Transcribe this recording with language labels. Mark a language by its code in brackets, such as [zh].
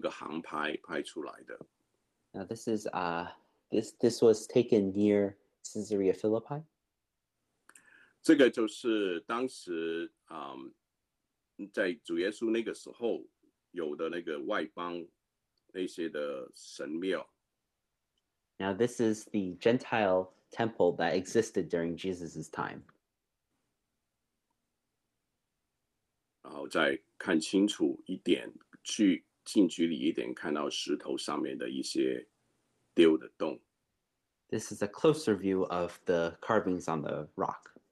[zh] 这个是该撒利亚菲利比有一个航拍拍出来的。Now [en] this is this was taken near Caesarea Philippi. [zh] 这个就是当时 在主耶稣那个时候有的那个外邦那些的神庙。 [en] Now, this is the Gentile temple that existed during Jesus' time. [zh] 然后再看清楚一点，去近距离一点，看到石头上面的一些雕的洞。This [en] is a closer view of the carvings on the rock.